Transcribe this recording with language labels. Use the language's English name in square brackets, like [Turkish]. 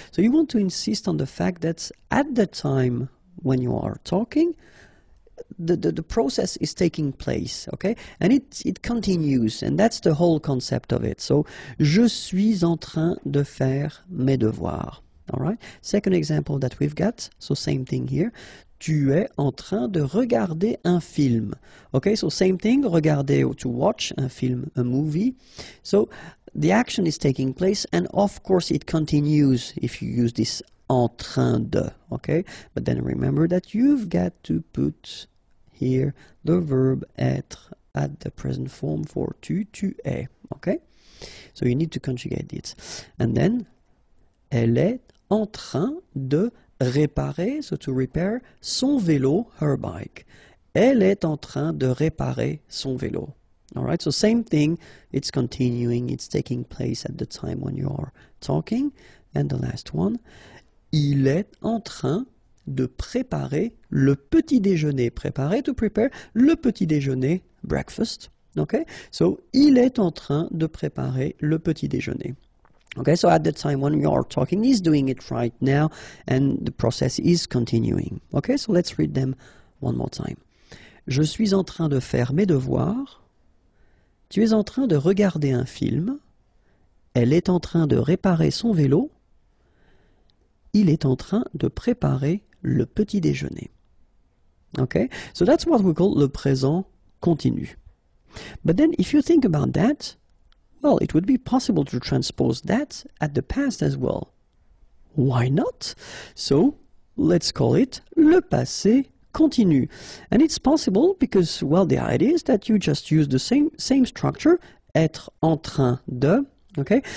[English] So you want to insist on the fact that at the time when you are talking, the process is taking place, okay? And it continues, and that's the whole concept of it. So [French] je suis en train de faire mes devoirs. [English] All right. Second example that we've got, so same thing here. [French] Tu es en train de regarder un film. [English] Okay, so same thing, regarder or to watch un film, a movie. So the action is taking place, and of course it continues if you use this en train de. Okay, but then remember that you've got to put here the verb être at the present form for tu es. Okay, so you need to conjugate it. And then, [French] elle est en train de réparer, [English] so to repair, son vélo, her bike. [French] Elle est en train de réparer son vélo. [English] Alright, so same thing, it's continuing, it's taking place at the time when you are talking. And the last one, [French] il est en train de préparer le petit déjeuner. Préparer, to prepare, le petit déjeuner, breakfast. [English] Okay, so [French] il est en train de préparer le petit déjeuner. [English] Okay, so at the time when you are talking, he's doing it right now, and the process is continuing. Okay, so let's read them one more time. [French] Je suis en train de faire mes devoirs. Tu es en train de regarder un film. Elle est en train de réparer son vélo. Il est en train de préparer le petit déjeuner. [English] Okay, so that's what we call le présent continu. But then, if you think about that, well, it would be possible to transpose that at the past as well. Why not? So, let's call it le passé continu. And it's possible because, well, the idea is that you just use the same structure, être en train de, okay?